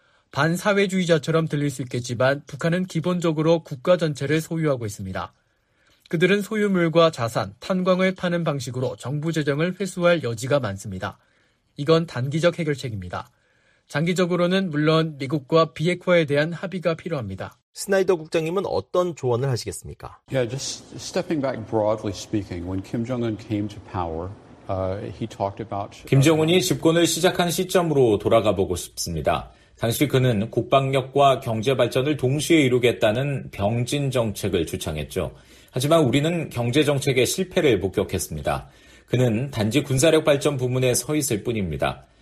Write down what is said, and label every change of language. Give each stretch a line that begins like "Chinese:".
Korean: 반사회주의자처럼 들릴 수 있겠지만 북한은 기본적으로 국가 전체를 소유하고 있습니다. 그들은 소유물과 자산, 탄광을 파는 방식으로 정부 재정을 회수할 여지가 많습니다. 이건 단기적 해결책입니다. 장기적으로는 물론 미국과 비핵화에 대한 합의가 필요합니다. 스나이더 국장님은 어떤 조언을 하시겠습니까?
English: Yeah, just stepping back broadly speaking, when Kim Jong-un came to power, he talked about
Korean: 김정은이 집권을 시작한 시점으로 돌아가 보고 싶습니다. 당시 그는 국방력과 경제 발전을 동시에 이루겠다는 병진 정책을 주창했죠. 하지만 우리는 경제 정책의 실패를 목격했습니다. 그는 단지 군사력 발전 부문에 서 있을 뿐입니다.